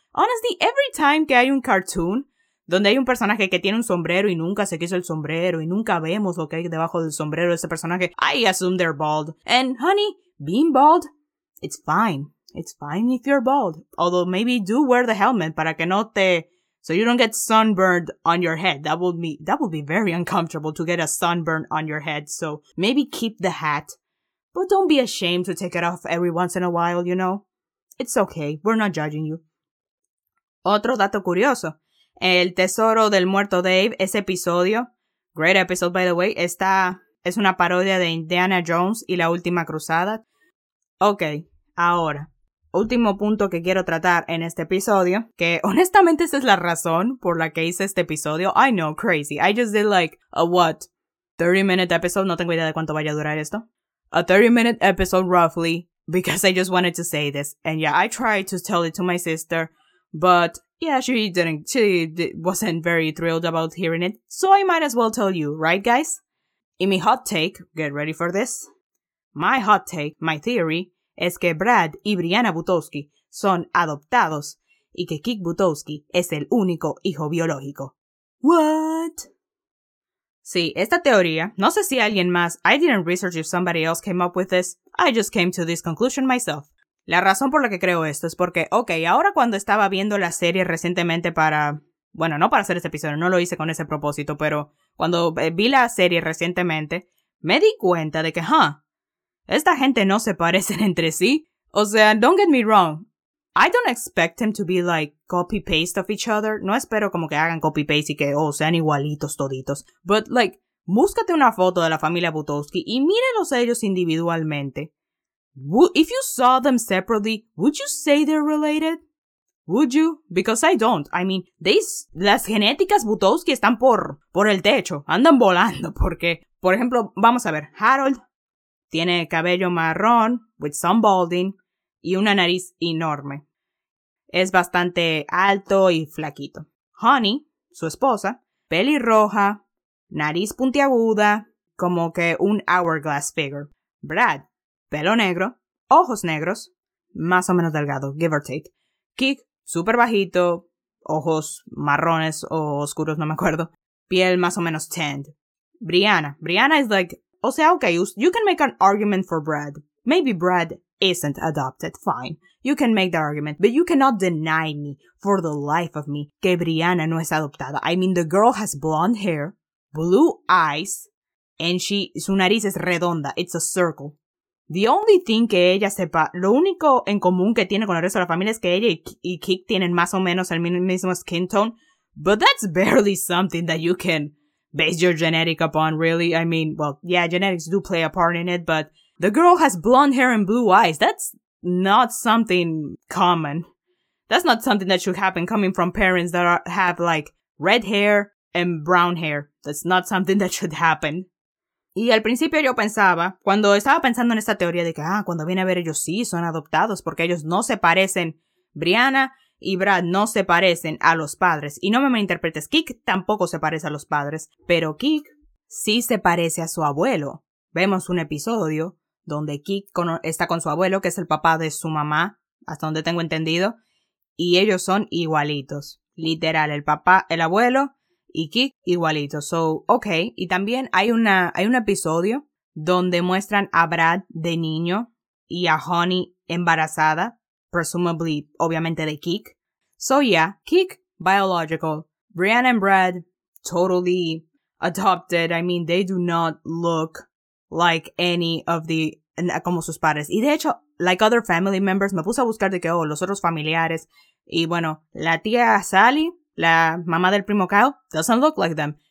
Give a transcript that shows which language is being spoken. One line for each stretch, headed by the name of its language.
English: Honestly, every time
Spanish: que hay un cartoon donde hay un personaje que tiene un sombrero y nunca se quiso el sombrero y nunca vemos lo que hay debajo del sombrero de ese personaje,
English: I assume they're bald. And honey, being bald, it's fine. It's fine if you're bald. Although maybe do wear the helmet
Spanish: para que no te...
English: So you don't get sunburned on your head. That would be very uncomfortable to get a sunburn on your head. So maybe keep the hat. But don't be ashamed to take it off every once in a while, you know? It's okay. We're not judging you.
Spanish: Otro dato curioso. El tesoro del muerto Dave, ese episodio.
English: Great episode, by the way.
Spanish: Es una parodia de Indiana Jones y la última cruzada. Ok, ahora, último punto que quiero tratar en este episodio, que honestamente esa es la razón por la que hice este episodio.
English: I know, crazy. I just did like a what? 30-minute episode.
Spanish: No tengo idea de cuánto vaya a durar esto.
English: A 30-minute episode roughly, because I just wanted to say this. And yeah, I tried to tell it to my sister, but yeah, she wasn't very thrilled about hearing it. So I might as well tell you, right guys? In my hot take, get ready for this. My hot take, my theory,
Spanish: es que Brad y Brianna Butowski son adoptados y que Kik Butowski es el único hijo biológico.
English: What?
Spanish: Sí, esta teoría, no sé si alguien más,
English: I didn't research if somebody else came up with this, I just came to this conclusion myself.
Spanish: La razón por la que creo esto es porque, ahora cuando estaba viendo la serie recientemente para... Bueno, no para hacer este episodio, no lo hice con ese propósito, pero cuando vi la serie recientemente, me di cuenta de que, esta gente no se parecen entre sí.
English: O sea, don't get me wrong, I don't expect them to be like copy-paste of each other.
Spanish: No espero como que hagan copy-paste y que, sean igualitos toditos.
English: But like,
Spanish: búscate una foto de la familia Butowski y mírenlos a ellos individualmente.
English: If you saw them separately, would you say they're related? Would you? Because I don't. I mean,
Spanish: las genéticas Butowski están por el techo. Andan volando porque, por ejemplo, vamos a ver. Harold tiene cabello marrón
English: with some balding
Spanish: y una nariz enorme. Es bastante alto y flaquito. Honey, su esposa, pelirroja, nariz puntiaguda, como que un hourglass figure. Brad, pelo negro, ojos negros, más o menos delgado,
English: give or take.
Spanish: Kik, súper bajito, ojos marrones o oscuros, no me acuerdo. Piel más o menos
English: tanned. Brianna is like, you can make an argument for Brad. Maybe Brad isn't adopted, fine. You can make the argument, but you cannot deny me, for the life of me,
Spanish: que Brianna no es adoptada.
English: I mean, the girl has blonde hair, blue eyes, and
Spanish: su nariz es redonda,
English: it's a circle. The only thing
Spanish: que ella sepa, lo único en común que tiene con el resto de la familia es que ella y Kik tienen más o menos el mismo
English: skin tone, but that's barely something that you can base your genetic upon, really. I mean, well, yeah, genetics do play a part in it, but the girl has blonde hair and blue eyes. That's not something common. That's not something that should happen coming from parents that have, like, red hair and brown hair. That's not something that should happen.
Spanish: Y al principio yo pensaba, cuando estaba pensando en esta teoría de que, ah, cuando viene a ver ellos sí son adoptados porque ellos no se parecen. Brianna y Brad no se parecen a los padres. Y no me malinterpretes, Kik tampoco se parece a los padres. Pero Kik sí se parece a su abuelo. Vemos un episodio donde Kik está con su abuelo, que es el papá de su mamá, hasta donde tengo entendido, y ellos son igualitos. Literal, el papá, el abuelo y Kik igualitos.
English: So, ok.
Spanish: Y también hay un episodio donde muestran a Brad de niño y a Honey embarazada, presumably, obviamente, de Kik.
English: So, yeah, Kik, biological. Brianna and Brad, totally adopted. I mean, they do not look like any of the,
Spanish: como sus padres. Y de hecho,
English: like other family members,
Spanish: me puse a buscar de que, oh, los otros familiares. Y bueno, la tía Sally, la mamá del primo Kyle,
English: doesn't look like them.